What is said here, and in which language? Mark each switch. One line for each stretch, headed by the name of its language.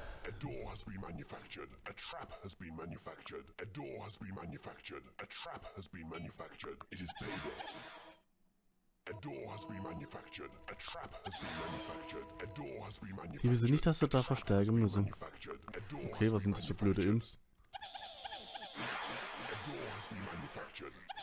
English: A door has been manufactured. A trap has been manufactured. A door has been manufactured. A trap has been manufactured. It is payable. A door has been manufactured. A trap has been manufactured. A door has been manufactured.
German: Ich wüsste nicht, dass wir da verstärken müssen. Okay, was sind das für blöde Imps?
English: A door has been manufactured.